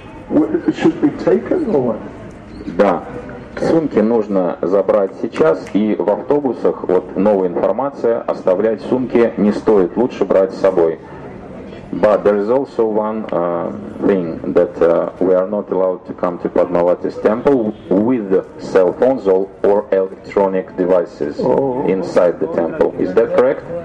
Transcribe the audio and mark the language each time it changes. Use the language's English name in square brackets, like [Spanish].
[English] It should be taken or what? [Russian] Да. Сумки нужно забрать сейчас, и в автобусах, вот новая информация, оставлять сумки не стоит, лучше брать с собой. [English] But there is also one thing that we are not allowed to come to Padmavati's temple with cell phones or electronic devices inside the temple. Is that correct?